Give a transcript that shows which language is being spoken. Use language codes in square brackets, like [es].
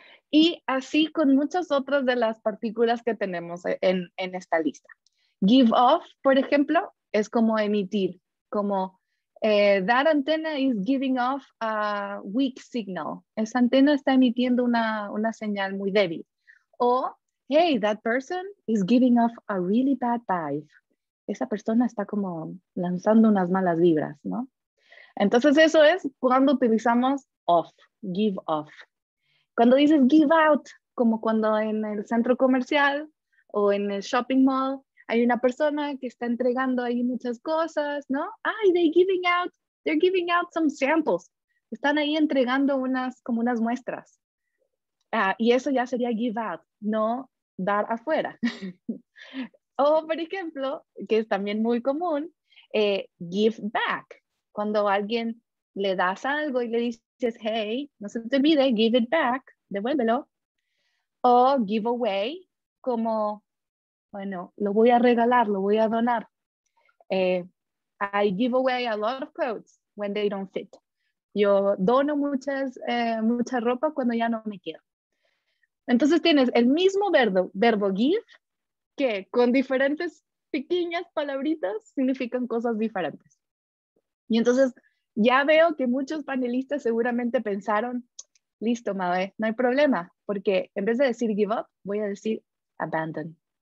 [es] Y así con muchas otras de las partículas que tenemos en esta lista. Give off, por ejemplo, es como emitir, como [en] that antenna is giving off a weak signal. [es] Esa antena está emitiendo una señal muy débil. [en] O, hey, that person is giving off a really bad vibe. [es] Esa persona está como lanzando unas malas vibras, ¿no? Entonces eso es cuando utilizamos off, give off. Cuando dices give out, como cuando en el centro comercial o en el shopping mall hay una persona que está entregando ahí muchas cosas, ¿no? [en] They're giving out some samples. [es] Están ahí entregando como unas muestras. Y eso ya sería give out, no dar afuera. O, por ejemplo, que es también muy común, give back. Cuando alguien le das algo y le dices, hey, no se te olvide, [en] give it back, [es] devuélvelo. O give away, como, bueno, lo voy a regalar, lo voy a donar. [en] I give away a lot of clothes when they don't fit. [es] Yo dono mucha ropa cuando ya no me quiero. Entonces tienes el mismo verbo give, que con diferentes pequeñas palabritas significan cosas diferentes. Y entonces ya veo que muchos panelistas seguramente pensaron, listo, Mabe, no hay problema, porque en vez de decir give up, voy a decir abandon.